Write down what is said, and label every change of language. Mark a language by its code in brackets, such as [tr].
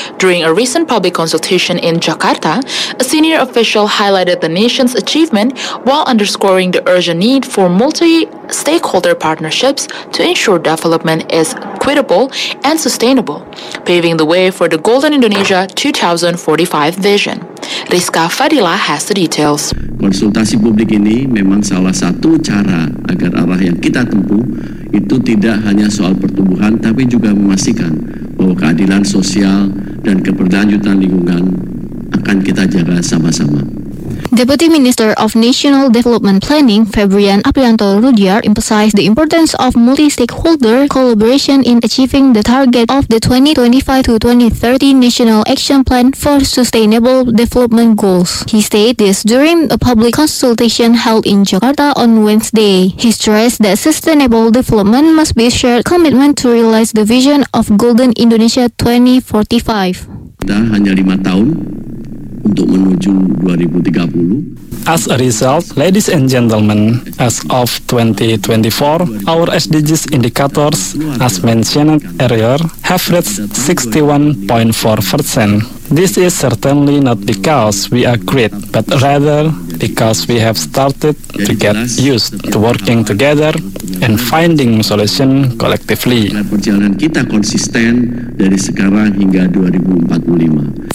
[en] During a recent public consultation in Jakarta, a senior official highlighted the nation's achievement while underscoring the urgent need for multi-stakeholder partnerships to ensure development is equitable and sustainable, paving the way for the Golden Indonesia 2045 vision. Rizka Fadila has the details. [id] Konsultasi publik ini memang salah satu cara agar arah yang kita tempuh itu tidak hanya soal pertumbuhan, tapi juga memastikan bahwa keadilan sosial dan keberlanjutan lingkungan akan kita jaga sama-sama. [en] Deputy Minister of National Development Planning, Febrian Aprianto Rudiar, emphasized the importance of multi-stakeholder collaboration in achieving the target of the 2025-2030 National Action Plan for Sustainable Development Goals. He stated this during a public consultation held in Jakarta on Wednesday. He stressed that sustainable development must be a shared commitment to realize the vision of Golden Indonesia 2045. [id] Kita hanya 5 tahun untuk menuju 2030. [en] As a result, ladies and gentlemen, as of 2024, our SDGs indicators, as mentioned earlier, have reached 61.4%. This is certainly not because we are great, but rather because we have started to get used to working together and finding solution collectively. [id] Perjalanan kita konsisten dari sekarang hingga 2045.